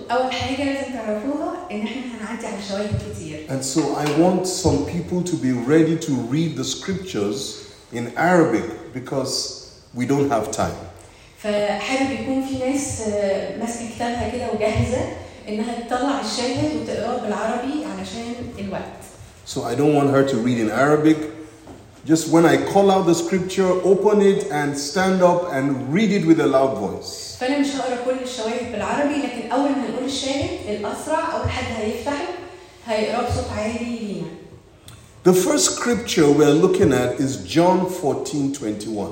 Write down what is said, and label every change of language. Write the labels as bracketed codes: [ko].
[ar] اول حاجه لازم تعرفوها ان احنا هنعدي على شويه كتير. [en] And so I want some people to be ready to read the scriptures in Arabic because we don't have time. [ar] فحابب يكون في ناس ماسكه كتابها كده وجاهزه انها تطلع الشاهد وتقراه بالعربي علشان الوقت. [en] So I don't want her to read in Arabic. Just when I call out the scripture, open it and stand up and read it with a loud voice. [ar] فانا مش هقرا كل الشواهد بالعربي لكن اول ما نقول الشاهد الاسرع او حد هيفتح هيقراه بصوت عالي لينا. [en] The first scripture we're looking at is John 14:21.